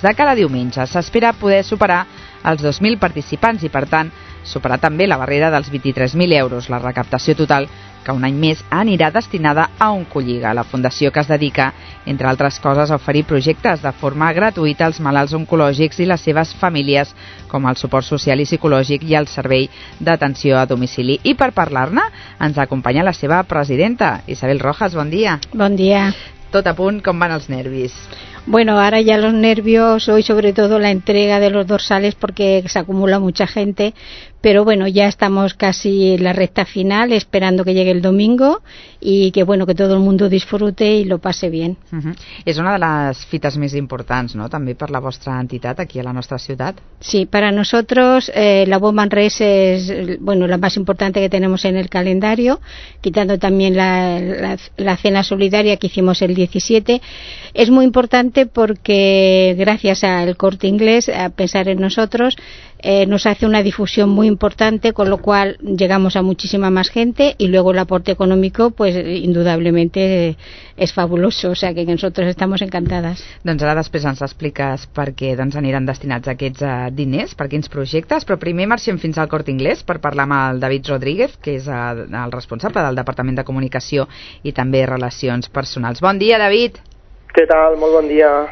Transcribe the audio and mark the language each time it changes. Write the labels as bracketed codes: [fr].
[ca] De cada diumenge s'espera poder superar els 2.000 participants i, per tant, superar també la barrera dels 23.000 euros, la recaptació total que un any més anirà destinada a Oncolliga, la fundació que es dedica, entre altres coses, a oferir projectes de forma gratuïta als malalts oncològics i les seves famílies, com el suport social i psicològic i el servei d'atenció a domicili. I per parlar-ne, ens acompanya la seva presidenta, Isabel Rojas. Bon dia. Bon dia. Tot a punt, com van els nervis? [es] Bueno, ahora ya los nervios, hoy sobre todo la entrega de los dorsales porque se acumula mucha gente, pero bueno, ya estamos casi en la recta final, esperando que llegue el domingo y que bueno, que todo el mundo disfrute y lo pase bien. Uh-huh. [ca] És una de les fites més importants, no?, també per la vostra entitat aquí a la nostra ciutat. [es] Sí, para nosotros la Woman Race es, bueno, la más importante que tenemos en el calendario, quitando también la cena solidaria que hicimos el 17. Es muy importante porque gracias al Corte Inglés, a pensar en nosotros, nos hace una difusión muy importante, con lo cual llegamos a muchísima más gente y luego el aporte económico, pues indudablemente es fabuloso, o sea que nosotros estamos encantadas. [ca] Doncs ara després ens expliques per què doncs aniran destinats aquests diners, per quins projectes, però primer marxem fins al Corte Inglés per parlar amb el David Rodríguez, que és el responsable del Departament de Comunicació i també Relacions Personals. Bon dia, David! Què tal? Molt bon dia.